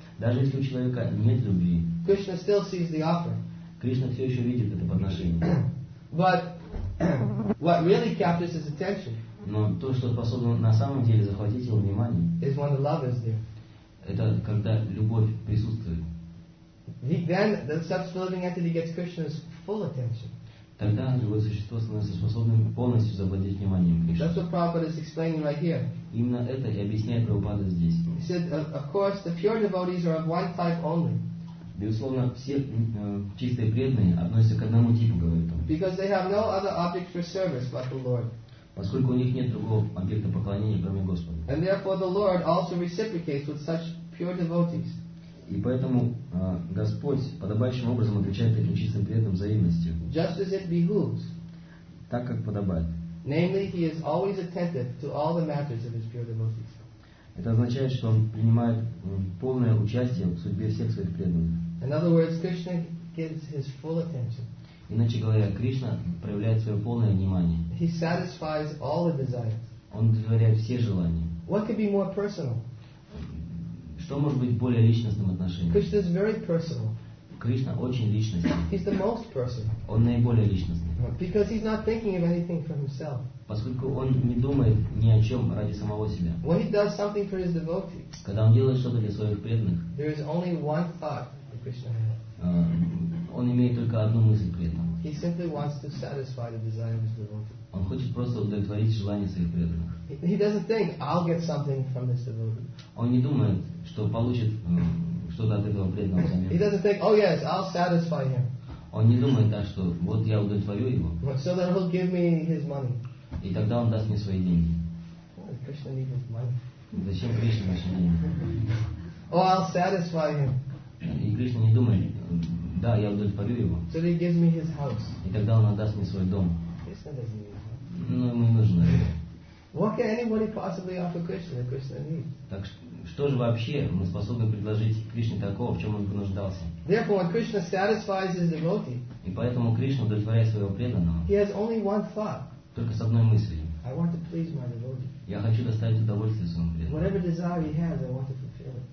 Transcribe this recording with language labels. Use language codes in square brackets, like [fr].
[ru] Даже если у человека нет любви. [en] Krishna still sees the offering. [ru] Кришна все еще видит это подношение. [en] But what really captures his attention? [ru] Но то, что способно на самом деле захватить его внимание, [en] is when the love is there. [ru] Это когда любовь присутствует. [en] Then the self-absorbing entity gets Krishna's full attention. [ru] Тогда живое существо становится способным полностью завладеть вниманием Кришны. [en] That's what Prabhupada is explaining right here. [ru] Именно это и объясняет Прабхупада здесь. [en] He said, of course, the pure devotees are of one type only. [ru] Безусловно, все чистые преданные относятся к одному типу, говорит он. [en] Because they have no other object for service but the Lord. [ru] поскольку у них нет другого объекта поклонения, кроме Господа. [en] And therefore the Lord also reciprocates with such pure devotees. [ru] И поэтому Господь подобающим образом отвечает таким чистым преданным взаимностью. [en] Just as it behooves. [ru] Так как подобает. [en] Namely, he is always attentive to all the matters of his pure devotees. [ru] Это означает, что он принимает полное участие в судьбе всех своих преданных. [en] In other words, Krishna gives his full attention. [ru] Иначе говоря, Кришна проявляет свое полное внимание. [en] He satisfies all the desires. [ru] Он удовлетворяет все желания. [en] What could be more personal? [ru] Что может быть более личностным отношением? [en] Krishna is very personal. [ru] Кришна очень личностный. [en] He's the most personal. [ru] Он наиболее личностный. [en] Because he's not thinking of anything for himself. [ru] Поскольку он не думает ни о чем ради самого себя. [en] When he does something for his devotees, [ru] когда он делает что-то для своих преданных, [en] there is only one thought that Krishna has. [ru] Он имеет только одну мысль при этом. [en] He simply wants to satisfy the desire of his devotee. [ru] Он хочет просто удовлетворить желание своих преданных. [en] He doesn't think, I'll get something from this devotee. [ru] Он не думает, что получит что-то от этого преданного самим. [en] He doesn't think, oh yes, I'll satisfy him. [ru] Он не думает так, что вот я удовлетворю его. [en] So that he'll give me his money. [ru] И тогда он даст мне свои деньги. [en] Krishna needs his money. [ru] Зачем Кришне наши деньги? [en] Oh, I'll satisfy him. [ru] И Кришна не думает, да, я удовлетворю его. [en] So he gives me his house. [ru] И тогда он отдаст мне свой дом. [en] Krishna doesn't need that. [ru] Ну, ему не нужно. [en] What can anybody possibly offer Krishna that Krishna needs? [ru] Так что же вообще мы способны предложить Кришне такого, в чем он бы нуждался? [en] Therefore, when Krishna satisfies his devotee, [ru] и поэтому Кришна удовлетворяет своего преданного, [en] he has only one thought. [ru] Только с одной мыслью. [en] I want to please my devotee. [ru] Я хочу доставить удовольствие своему преданному. [en] Whatever desire he has, I want to fulfill it.